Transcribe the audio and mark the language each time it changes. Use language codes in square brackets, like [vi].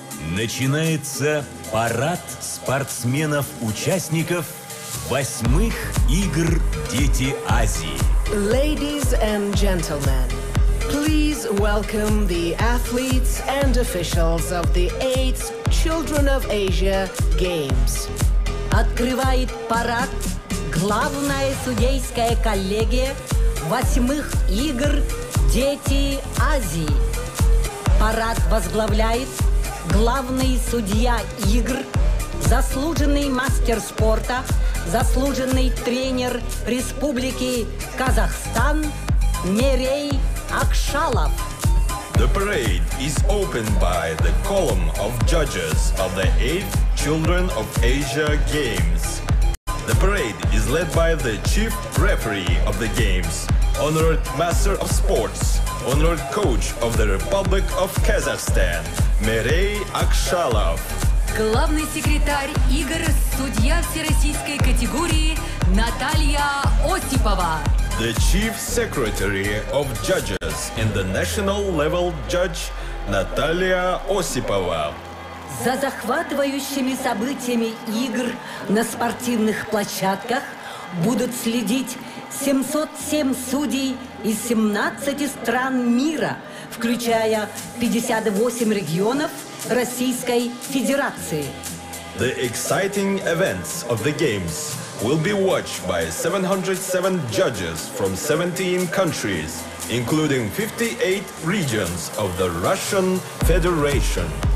[ru] Начинается парад спортсменов-участников 8-х игр Дети Азии. [en] Ladies and gentlemen, please welcome the athletes and officials of the 8th Children of Asia Games. [ru] Открывает парад главная судейская коллегия 8-х игр Дети Азии. Парад возглавляет главный судья игр, заслуженный мастер спорта, заслуженный тренер Республики Казахстан Мерей Акшалов. [en] The parade is opened by the column of judges of the 8th Children of Asia Games. The parade is led by the chief referee of the games, honored master of sports, honored coach of the Republic of Kazakhstan. [ru] Мерей Акшалов. Главный секретарь игр, судья всероссийской категории Наталья Осипова. [en] The chief secretary of judges in the national level judge Наталья Осипова. [ru] За захватывающими событиями игр на спортивных площадках будут следить 707 судей из 17 стран мира, включая 58 регионов Российской Федерации. [en] The exciting events of the games will be watched by 707 judges from 17 countries, including 58 regions of the Russian Federation.